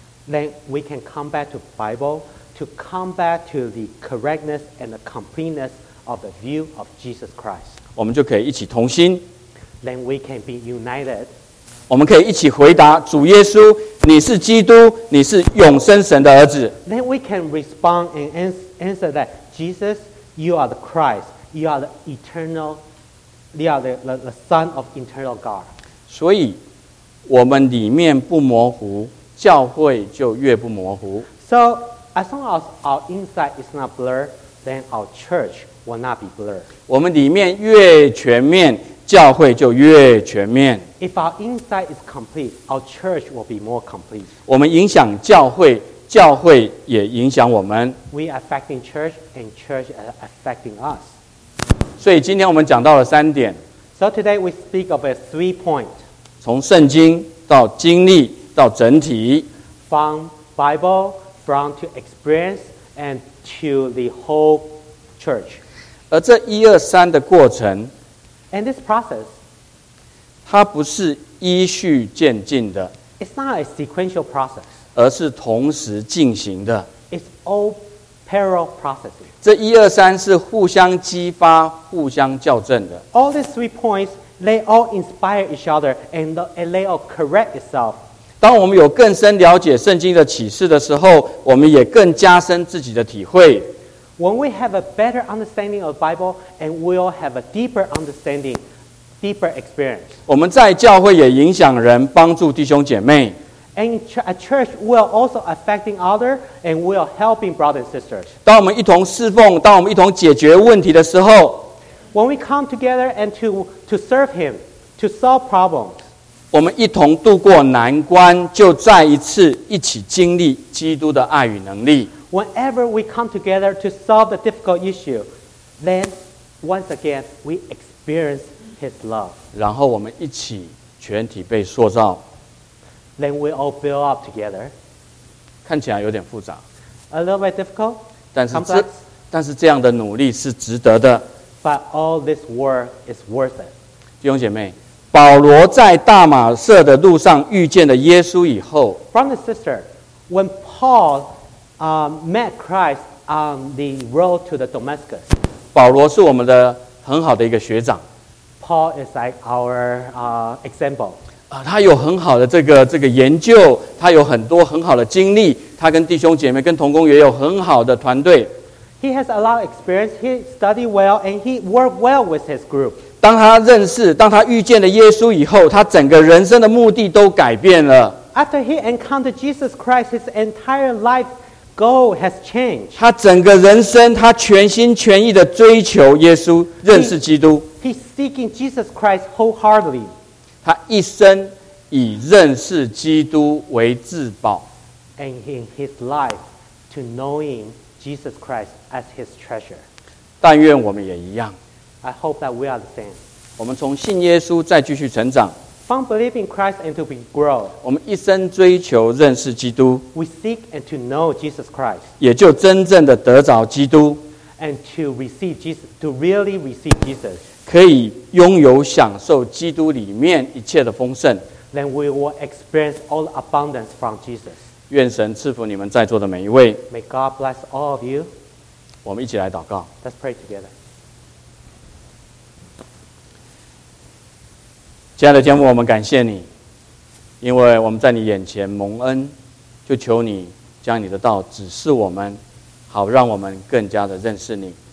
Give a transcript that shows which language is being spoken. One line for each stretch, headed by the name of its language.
English: Then we can come back to Bible to come back to the correctness and the completeness of the view of Jesus Christ.
Chinese: 我们就可以一起同心。
English: Then we can be united.
Chinese: 我们可以一起回答主耶稣，你是基督，你是永生神的儿子。
English: Then we can respond and answer that Jesus, you are the Christ, you are the eternal, you are the Son of eternal God.
Chinese: 所以，我们里面不模糊，教会就越不模糊。
English: So as long as our inside is not blurred, then our church will not be blurred.
Chinese: 我们里面越全面，教会就越全面。
English: If our insight is complete, our church will be more complete.
Chinese: 我们影响教会，教会也影响我们。
English: We are affecting church, and church is affecting us.
Chinese: 所以今天我们讲到了三点。
English: So today we speak about three points.
Chinese: 从圣经到经历到整体。
English: From Bible, from to experience, and to the whole church.
Chinese: 而这一二三的过程。
English: And this process.
Chinese: 它不是依序渐进的。
English: It's not a sequential process.
Chinese: 而是同时进行的。
English: It's all parallel processes.
Chinese: 这一二三是互相激发、互相校正的。
English: All these three points, they all inspire each other, and they all correct itself.
Chinese: 当我们有更深了解圣经的启示的时候，我们也更加深自己的体会。
English: When we have a better understanding of the Bible, and we'll have a deeper understanding, deeper experience.
Chinese: 我们在教会也影响人，帮助弟兄姐妹。
English: And a church will also affecting others and will helping brothers and sisters.
Chinese: 当我们一同侍奉，当我们一同解决问题的时候，
English: when we come together and to serve Him, to solve problems.
Chinese: 我们一同度过难关，就再一次一起经历基督的爱与能力。
English: Whenever we come together to solve the difficult issue, then once again we experience His love.
Chinese: 然后我们一起全体被塑造。
English: Then we all build up together.
Chinese: 看起来有点复杂。
English: A little bit difficult.
Chinese: 但是这样的努力是值得的。
English: But all this work is worth it.
Chinese: 弟兄姐妹，保罗在大马色的路上遇见了耶稣以后。
English: Brother sister, when Paul met Christ on the road to the Damascus.
Chinese: 保罗是我们的很好的一个学长。
English: Paul is like our example.
Chinese: 他有很好的这个研究，他有很多很好的经历，他跟弟兄姐妹、跟同工也有很好的团队。
English: He has a lot of experience. He studied well and he worked well with his group.
Chinese: 当他认识、当他遇见了耶稣以后，他整个人生的目的都改变了。
English: After he encountered Jesus Christ, his entire life goal has changed.
Chinese: 他整个人生，他全心全意的追求耶稣，认识基督。
English: He's seeking Jesus Christ wholeheartedly.
Chinese: 他一生以认识基督为至宝。
English: And in his life, to knowing Jesus Christ as his treasure.
Chinese: 但愿我们也一样。
English: I hope that we are the same.
Chinese: 我们从信耶稣再继续成长。
English: From believing Christ and to be grown,
Chinese: 我们一生追求认识基督，
English: we seek and to know Jesus Christ,
Chinese: 也就真正的得着基督，
English: and to receive Jesus, to really receive Jesus,
Chinese: 可以拥有享受基督里面一切的丰盛，
English: then we will experience all abundance from Jesus.
Chinese: 愿神赐福你们在座的每一位。
English: May God bless all of you.
Chinese: 我们一起来祷告。
English: Let's pray together.
Chinese: 亲爱的天父，我们感谢你，因为我们在你眼前蒙恩，就求你将你的道指示我们，好让我们更加的认识你。